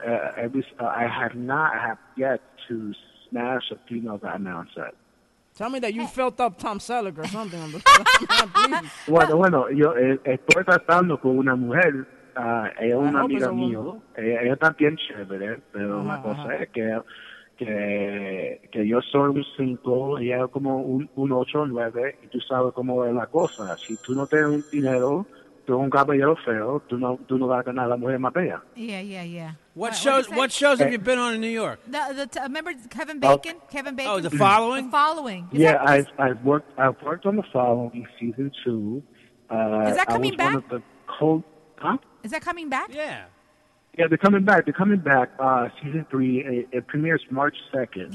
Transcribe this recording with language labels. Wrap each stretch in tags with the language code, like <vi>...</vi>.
<en>I have not have yet to smash a female that I'm on set. Tell me that you felt up Tom Selleck or something.</en> <es>Bueno, yo estoy tratando con una mujer, ella es una amiga mía. Ella también chévere, pero la cosa es que yo soy un 5, ella es como un 8 o 9, y tú sabes cómo es la cosa. Si tú no tienes dinero, tú eres un caballero feo, tú no vas a ganar a la mujer más bella.</es> <en>Yeah. What shows have you been on in New York? Remember Kevin Bacon? Okay. Kevin Bacon. Oh, The Following? The Following. I've worked on The Following season 2. Is that coming back? Yeah. Yeah, they're coming back. They're coming back season 3. It premieres March 2nd.</en>